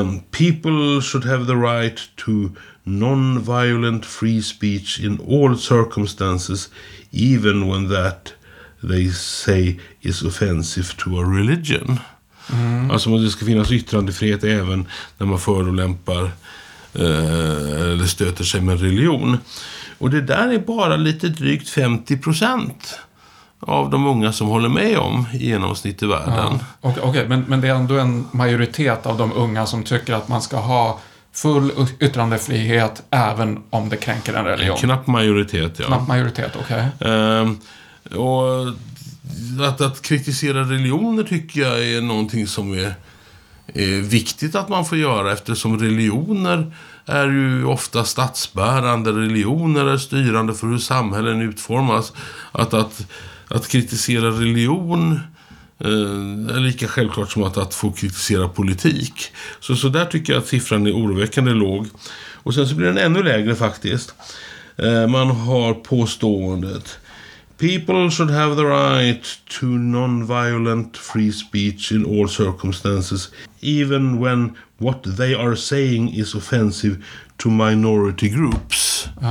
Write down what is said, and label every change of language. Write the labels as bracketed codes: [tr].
[en] People should have the right to non-violent free speech in all circumstances, even when that they say is offensive to a religion. Mm. [sv] Alltså att det ska finnas yttrandefrihet även när man förolämpar eller stöter sig med religion. Och det där är bara lite drygt 50% av de unga som håller med om i genomsnitt i världen. Ja. Okej, men det är ändå en majoritet av de unga som tycker att man ska ha full yttrandefrihet även om det kränker en religion. En knapp majoritet, ja. Knapp majoritet, okej. Och att kritisera religioner tycker jag är någonting som är viktigt att man får göra, eftersom religioner är ju ofta statsbärande, religioner är styrande för hur samhällen utformas. Att kritisera religion är lika självklart som att få kritisera politik. Så där tycker jag att siffran är oroväckande låg. Och sen så blir den ännu lägre faktiskt. Man har påståendet: [en] people should have the right to non-violent free speech in all circumstances, even when what they are saying is offensive to minority groups.